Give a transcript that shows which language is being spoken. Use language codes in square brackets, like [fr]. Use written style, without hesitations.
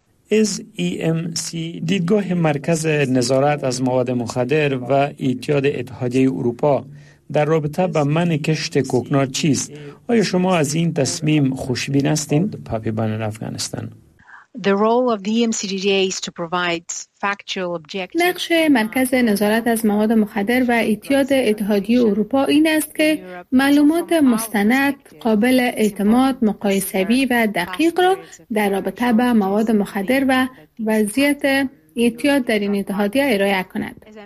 [fa] SEMC دیدگاه مرکز نظارت از مواد مخدر و ایتیاد اتحادیه اروپا در رابطه با منع کشت کوکنار چیست؟ آیا شما از این تصمیم خوشبین هستین؟ پاپی بان افغانستان. [en] The role of the EMCGDA is to provide factual objective. [fa] نقش مرکز نظارت از مواد مخدر و ایتیاد اتحادیه اروپا این است که معلومات مستند، قابل اعتماد، مقایسوی و دقیق را در رابطه با مواد مخدر و وضعیت ایتیاد در این اتحادیه ارائه کند.